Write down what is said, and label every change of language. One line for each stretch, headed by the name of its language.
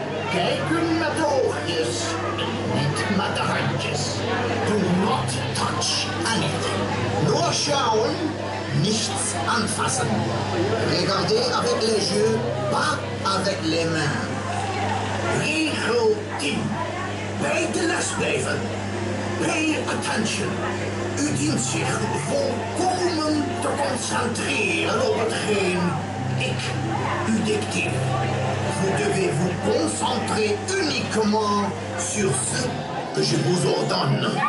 Dutch: Kijken met de oogjes, niet met de handjes.
English: Do not touch anything.
German: Nur schauen, nichts anfassen.
French: Regardez avec les yeux, pas avec les mains.
Dutch: Regel 10. Bij de les blijven.
English: Pay attention.
Dutch: U dient zich volkomen te concentreren op hetgeen ik u dicteer.
French: Vous devez vous concentrer uniquement sur ce que je vous ordonne.